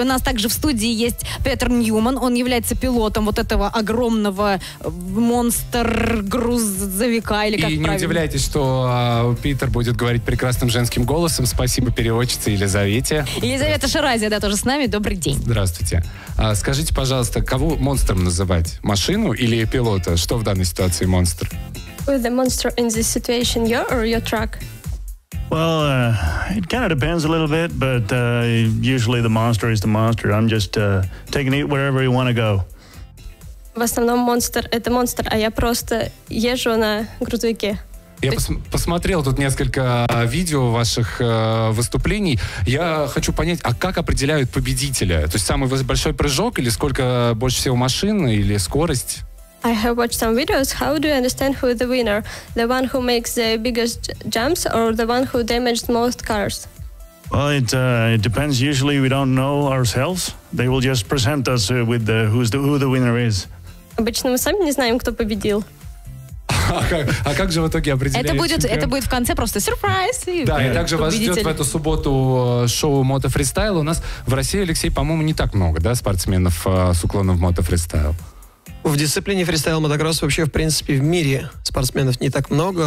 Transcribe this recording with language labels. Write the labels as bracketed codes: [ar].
[ru] У нас также в студии есть Петр Ньюман. Он является пилотом вот этого огромного монстр-грузовика. Или как и правильно? Не удивляйтесь, что Питер будет говорить прекрасным женским голосом. Спасибо переводчице Елизавете. Елизавета Шеразия, да, тоже с нами. Добрый день. Здравствуйте. Скажите, пожалуйста, кого монстром называть? Машину или пилота? Что в данной ситуации монстр? [en] Who is the monster in this situation, you or your truck? Well, it kind of depends a little bit, but usually the monster is the monster. I'm just taking it wherever you want to go. [ru] В основном монстр — это монстр, а я просто езжу на грузовике. Я посмотрел тут несколько видео ваших выступлений. Я хочу понять, а как определяют победителя? То есть самый большой прыжок или сколько больше всего машин или скорость? [en] I have watched some videos. How do you understand who is the winner? The one who makes the biggest jumps or the one who damaged most cars? Well, it depends. Usually we don't know ourselves. They will just present us with the, who the winner is. [ru] Обычно мы сами не знаем, кто победил. А как же в итоге определяете? Это будет в конце просто сюрприз. Да, и также вас ждет в эту субботу шоу «Мотофристайл». У нас в России, Алексей, по-моему, не так много, да, спортсменов с уклоном в «Мотофристайл». В дисциплине фристайл-мотокросс вообще, в принципе, в мире спортсменов не так много.